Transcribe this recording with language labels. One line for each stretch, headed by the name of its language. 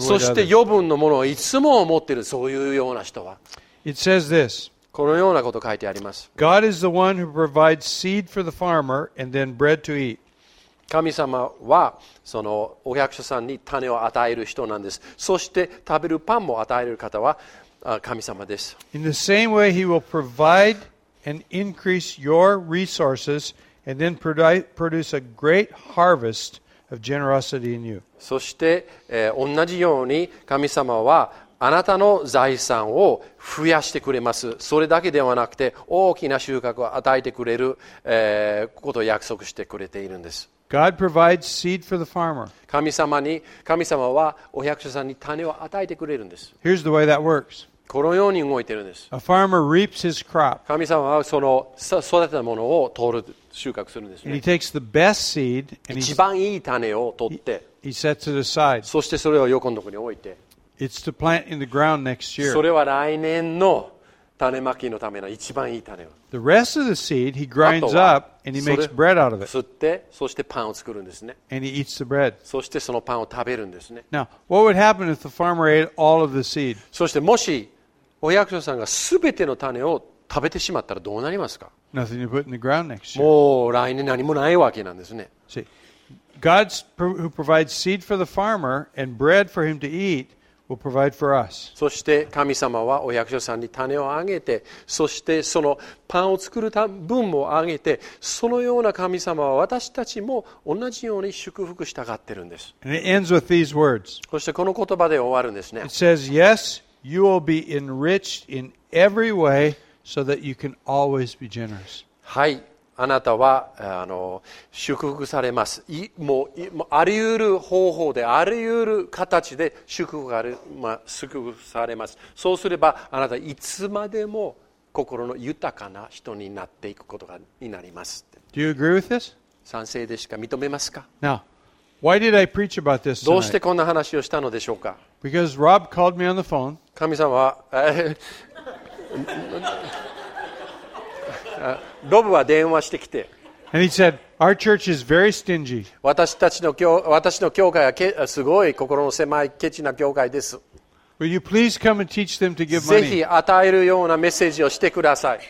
Japanese: そして余分のものをいつも持ってる、そういうような人は。
English: It says this.
Japanese: このようなこと書いてあります。
English: God is the one who provides seed for the farmer and then bread to eat.
Japanese: 神様はそのお百姓さんに種を与える人なんです。そして食べるパンも与える方は神様です。
English: In the same way, he will provide and increase your resources and then produce a great harvest of generosity in you.
Japanese: そして同じように神様はあなたの財産を増やしてくれます。それだけではなくて、大きな収穫を与えてくれる、ことを約束してくれているんです。
English: God provides seed for the farmer.
Japanese: 神様はお百姓さんに種を与えてくれるんです。
English: Here's the way that works.
Japanese: このように動いているんです。
English: A farmer reaps his crop.
Japanese: 神様はその育てたものを取る、収穫するんですね。
English: And he takes the best seed and
Japanese: 一番いい種を取って、
English: he sets it aside.
Japanese: そしてそれを横のところに置いて、
English: It's to plant in the ground next year.
Japanese: それは来年の種まきのための一番いい種を。
English: The rest of the seed he grinds up and he makes bread out of it.
Japanese: 吸って、そしてパンを作るんですね。
English: And he eats the bread.
Japanese: そしてそのパンを食べるんですね。
English: Now, what would happen if the farmer ate all of the seed?
Japanese: そしてもしお百姓さんがすべての種を食べてしまったらどうなりますか?
English: Nothing to put in the ground next year.
Japanese: もう来年何もないわけなんですね。
English: See, God who provides seed for the farmer and bread for him to eat. Will provide for us.
Japanese: そして神様はお百姓さんに種をあげて、そしてそのパンを作る分もあげて、そのような神様は私たちも同じように祝福したがってるんです。
English: And it ends with these words.
Japanese: そしてこの言葉で終わるんですね。
English: It says, "Yes, you will be enriched in every way, so that you can always be generous."
Japanese: はい、あなたは祝福されます。もうありゆる方法で、ありゆる形で祝福されます。そうすればあなたいつまでも心の豊かな人になっていくことになります。
English: Do you agree with this?
Japanese: 賛成ですか？認めますか
English: ？Now, why did I preach about this tonight?
Japanese: どうしてこんな話をしたのでしょうか
English: ？Because Rob called me on the phone.
Japanese: 神様は。ロブは電話してきて。
English: And he said, Our church is very stingy.
Japanese: 私の教会はすごい心の狭いケチな教会です。
English: Will you please come and teach them to give money?
Japanese: ぜひ与えるようなメッセージをしてください。